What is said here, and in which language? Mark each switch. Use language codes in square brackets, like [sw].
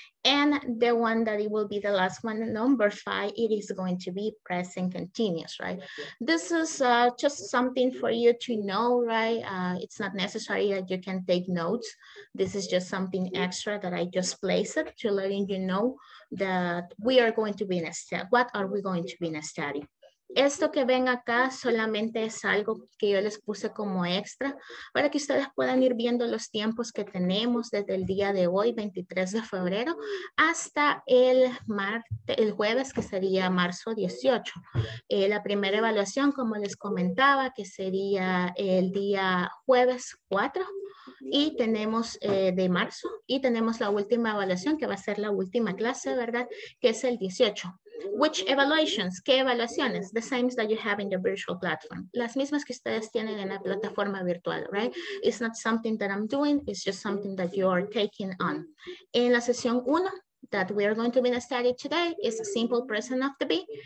[en] And the one that it will be the last one, number five, it is going to be present continuous, right? This is just something for you to know, right? It's not necessary that you can take notes. This is just something extra that I just placed it to letting you know that we are going to be in a study. What are we going to be in a study? [es] Esto que ven acá solamente es algo que yo les puse como extra para que ustedes puedan ir viendo los tiempos que tenemos desde el día de hoy, 23 de febrero, hasta el jueves, que sería marzo 18. La primera evaluación, como les comentaba, que sería el día jueves 4. Y tenemos de marzo y tenemos la última evaluación que va a ser la última clase, ¿verdad? Que es el 18. Which evaluations? ¿Qué evaluaciones? [en] The same that you have in the virtual platform. [es] Las mismas que ustedes tienen en la plataforma virtual, right? [en] It's not something that I'm doing. It's just something that you are taking on. En la sesión 1 that we are going to be studying today is simple present of the be.